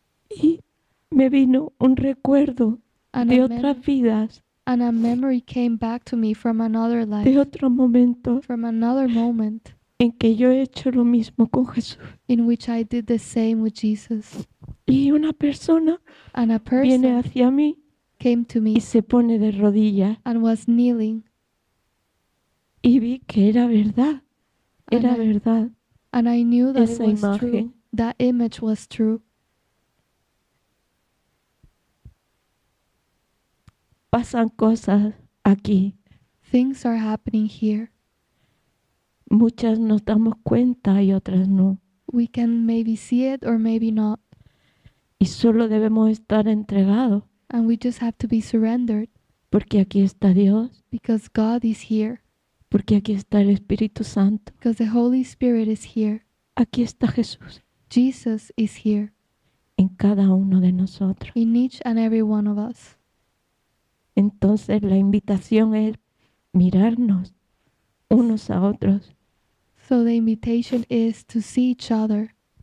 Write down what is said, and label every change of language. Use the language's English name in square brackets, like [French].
[Spanish] Y me vino un recuerdo de otras vidas. [English] And a memory came back to me from another life. [Spanish] De otro momento. [English] From another moment. [Spanish] En que yo he hecho lo mismo con Jesús. [English] In which I did the same with Jesus. [Spanish] Y una persona. [English] And a person. [Spanish] Viene hacia mí. [English] Came to me. [Spanish] Y se pone de rodilla. [English] And was kneeling. [Spanish] Y vi que era verdad. Era verdad. [English] And I knew that it was true. That image was true. [Spanish] Pasan cosas aquí. [English] Things are happening here. [Spanish] Muchas nos damos cuenta y otras no. [English] We can maybe see it or maybe not. [Spanish] Y solo debemos estar entregados. [English] And we just have to be surrendered. [Spanish] Porque aquí está Dios. [English] Because God is here. [Spanish] Porque aquí está el Espíritu Santo. [English] Because the Holy Spirit is here. [Spanish] Aquí está Jesús. [English] Jesus is here. [Spanish] En cada uno de nosotros. [English] In each and every one of us. [Spanish] Entonces la invitación es mirarnos unos a otros. [English] So the invitation is to see each other.